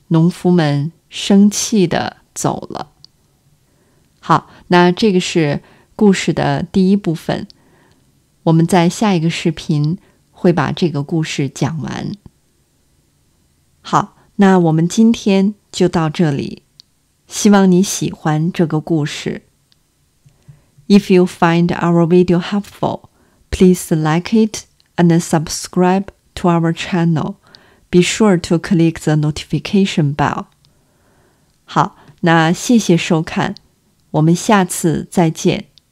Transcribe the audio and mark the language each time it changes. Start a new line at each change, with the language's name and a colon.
Chinese: 农夫们生气地走了。好，那这个是故事的第一部分，我们在下一个视频会把这个故事讲完。好，那我们今天就到这里，希望你喜欢这个故事。
English: If you find our video helpful, please like it and subscribe to our channel. Be sure to click the notification bell.
Chinese: 好，那谢谢收看，我们下次再见。